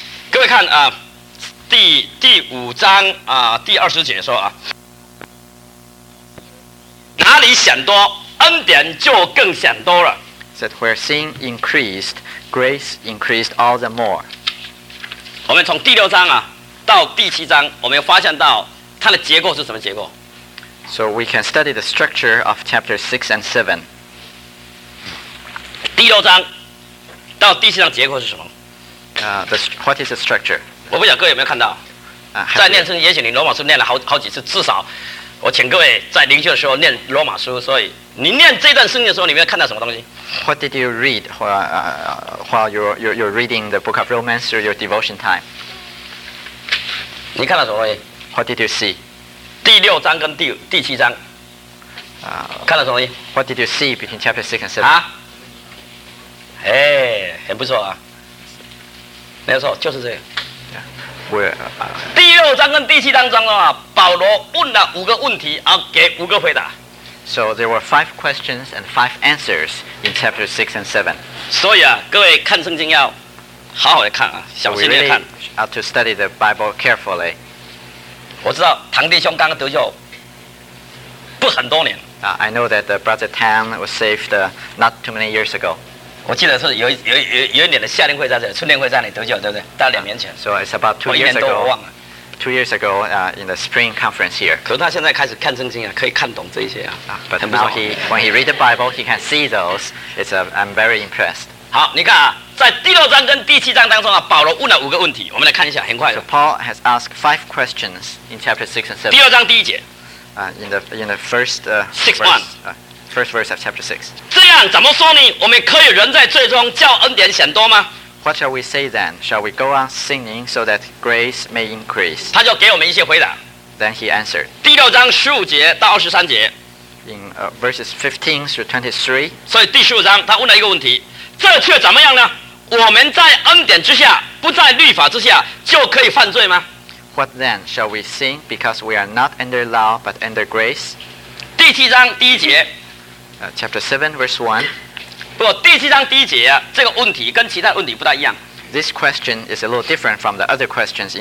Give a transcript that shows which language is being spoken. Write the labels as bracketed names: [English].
[Chinese] 各位看、第五章、第二十节说、啊、哪里显多，恩典就更显多了。 [English] That where sin increased, grace increased all the more. [Chinese] 我们从第六章、啊、到第七章，我们发现到它的结构是什么结构。 [English] So we can study the structure of chapters 6 and 7. [Chinese] 第六章到第七章结构是什么？ [English] What is the structure? [Chinese] 我不晓得各位有没有看到。在念圣经，也许你罗马书念了好几次，至少我请各位在灵修的时候念罗马书。所以你念这段圣经的时候，你有没有看到什么东西 [English] ？What did you read while you're reading the book of Romans through your devotion time? [Chinese] 你看到什么东西 [English] ？What did you see? [Chinese] 第六章跟第七章。看到什么东西 [English] ？What did you see between chapter 6 and 7? [Chinese] 哎，很不错啊，没错，就是这个。会、第六章跟第七章当中啊，保罗问了五个问题，啊，给五个回答。 [English] So there were five questions and five answers in chapter 6 and 7. [Chinese] 所以啊，各位看圣经要好好的看啊，小心的看。 [English] We have to study the Bible carefully. [Chinese] 我知道堂弟兄刚刚得救不很多年。 [English] I know that the brother Tan was saved not too many years ago. [Chinese] 我记得是有一年的夏令会在这里，春令会在那里得救，对不对？大概两年前。 [English] So it's about two years ago. [Chinese] 我一年都忘了。 [English] 2 years ago, in the spring conference here. [Chinese] 可是他现在开始看圣经啊，可以看懂这些啊。 [English] But now when he read the Bible, he can see those. I'm very impressed. [Chinese] 好，你看啊，在第六章跟第七章当中啊，保罗问了五个问题，我们来看一下，很快的。 [English] So Paul has asked five questions in chapter 6 and 7. [Chinese] 第六章第一节。 [English] In the first first verse of chapter 6. [Chinese] 这样怎么说呢？我们可以人在罪中叫恩典显多吗？ [English] What shall we say then? Shall we go on sinning so that grace may increase? [Chinese] 他就给我们一些回答。 [English] Then he answered. [Chinese] 第六章十五节到二十三节。 [English] In verses 15 through 23. [Chinese] 所以第十五章他问了一个问题：这却怎么样呢？我们在恩典之下，不在律法之下，就可以犯罪吗 [English] ？What then shall we sin because we are not under law but under grace? [Chinese] 第七章第一节。 [English] Chapter 7, verse 1. [Chinese] 不过第七章第一节啊，这个问题跟其他问题不太一样。 [English] This question is a little different from the other questions.